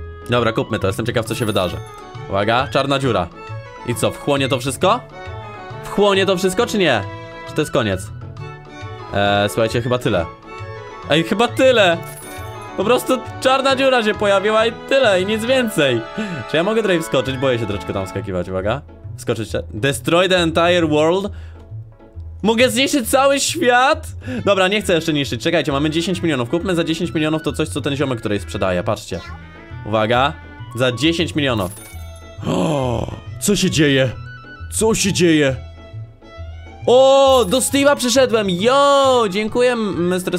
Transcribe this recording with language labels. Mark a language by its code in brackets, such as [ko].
[pl] Dobra, kupmy to, jestem ciekaw, co się wydarzy. Uwaga, czarna dziura. I co, wchłonie to wszystko? Wchłonie to wszystko, czy nie? Czy to jest koniec? Słuchajcie, chyba tyle. Ej, chyba tyle! Po prostu czarna dziura się pojawiła i tyle, i nic więcej. Czy ja mogę tutaj wskoczyć? Boję się troszkę tam skakiwać, uwaga. Wskoczyć. [en] Destroy the entire world? [pl] Mogę zniszczyć cały świat? Dobra, nie chcę jeszcze niszczyć. Czekajcie, mamy 10 milionów. Kupmy za 10 milionów to coś, co ten ziomek tutaj sprzedaje. Patrzcie. Uwaga. Za 10 milionów. Co się dzieje? Co się dzieje? O, do Steve'a przyszedłem. Yo, dziękuję, Mr.